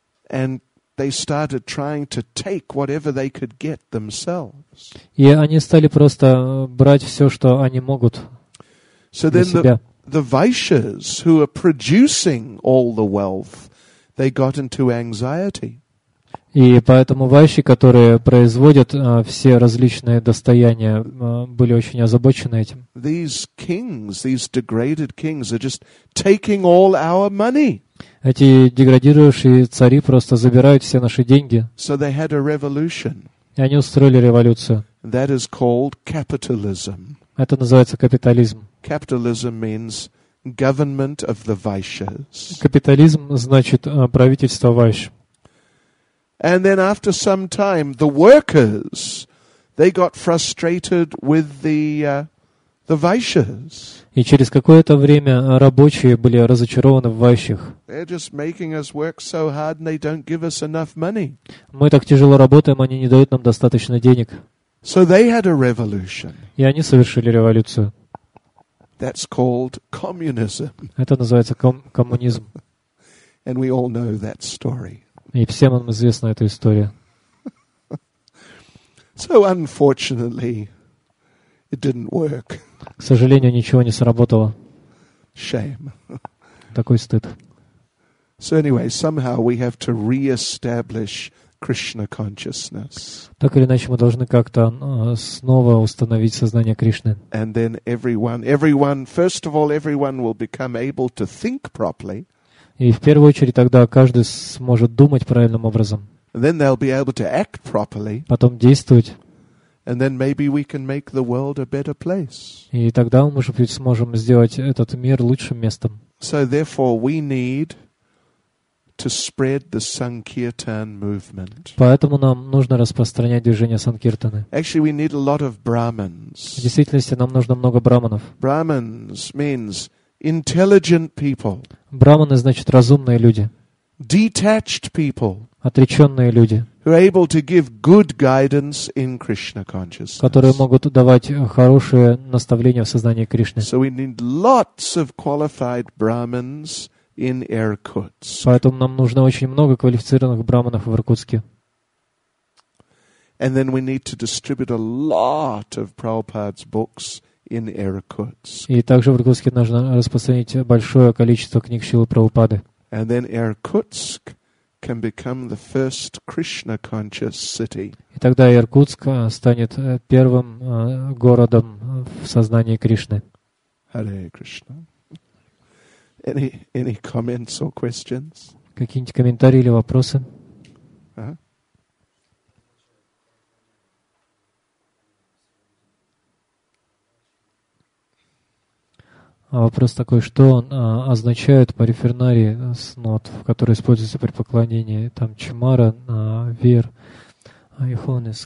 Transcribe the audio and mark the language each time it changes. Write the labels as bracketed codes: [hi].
[en] And they started trying to take whatever they could get themselves. [ru] И они стали просто брать все, что они могут. [en] So then the Vaishyas, who are producing all the wealth, they got into anxiety. [ru] И поэтому вайши, которые производят все различные достояния, были очень озабочены этим. [en] These kings, these degraded kings are just taking all our money. [ru] Эти деградирующие цари просто забирают все наши деньги. [en] So they had a revolution. [ru] И они устроили революцию. [en] That is called capitalism. [ru] Это называется капитализм. [en] Capitalism means government of the vaishyas. [ru] Капитализм значит правительство вайш. [en] And then after some time, the workers, they got frustrated with the vaishyas. [ru] И через какое-то время рабочие были разочарованы в вайшах. [en] They're just making us work so hard, and they don't give us enough money. [ru] Мы так тяжело работаем, они не дают нам достаточно денег. [en] So they had a revolution. [ru] И они совершили революцию. [en] That's called communism. [ru] Это называется коммунизм. [en] And we all know that story. [ru] И всем нам известна эта история. [en] So unfortunately, it didn't work. [ru] К сожалению, ничего не сработало. [en] Shame. [ru] Такой стыд. [en] So anyway, somehow we have to re-establish Krishna consciousness. [ru] Так или иначе, мы должны как-то снова установить сознание Кришны. [en] And then everyone, first of all, everyone will become able to think properly. [ru] И в первую очередь тогда каждый сможет думать правильным образом. [en] Then they'll be able to act properly. [ru] Потом действовать. [en] And then maybe we can make the world a better place. [ru] И тогда мы, может быть, сможем сделать этот мир лучшим местом. [en] So therefore we need to spread the Sankirtan movement. [ru] Поэтому нам нужно распространять движение Санкиртаны. [en] Actually, we need a lot of Brahmins. [ru] В действительности нам нужно много браманов. [en] Brahmins means intelligent people. [ru] Браманы значит разумные люди. [en] Detached people. [ru] Отреченные люди. [en] Who are able to give good guidance in Krishna consciousness. [ru] Которые могут давать хорошие наставления в сознании Кришны. [en] So we need lots of qualified Brahmins. In Irkutsk. [ru] Поэтому нам нужно очень много квалифицированных браманов в Иркутске. [en] And then we need to distribute a lot of Prabhupada's books in Irkutsk. [ru] И также в Иркутске нужно распространить большое количество книг Шрилы Прабхупады. [en] And then Irkutsk can become the first Krishna conscious city. [ru] И тогда Иркутск станет первым городом в сознании Кришны. [en] Hare Krishna. Any comments or questions? [ru] Какие-нибудь комментарии или вопросы? Вопрос такой, что означают парифернарии снот, которые используются при поклонении, там, чимара, вир, айхонес.